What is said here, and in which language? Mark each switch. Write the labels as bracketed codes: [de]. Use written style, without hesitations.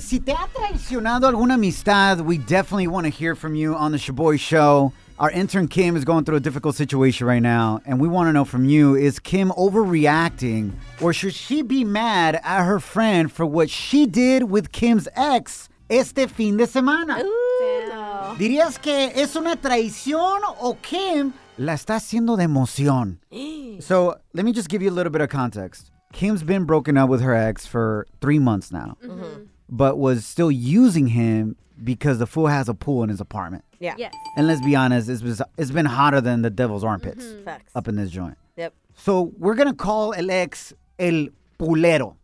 [es] Si te ha traicionado alguna amistad, [en] we definitely want to hear from you on the Shaboy Show. Our intern Kim is going through a difficult situation right now, and we want to know from you, is Kim overreacting, or should she be mad at her friend for what she did with Kim's ex [es] este fin de semana? ¿Dirías que es una traición o Kim la está haciendo de emoción? [en] So, let me just give you a little bit of context. Kim's been broken up with her ex for 3 months now, but was still using him because the fool has a pool in his apartment. Yeah. Yes. And let's be honest, it's been hotter than the devil's armpits up in this joint. Yep. So we're going to call [es] el ex el pulero.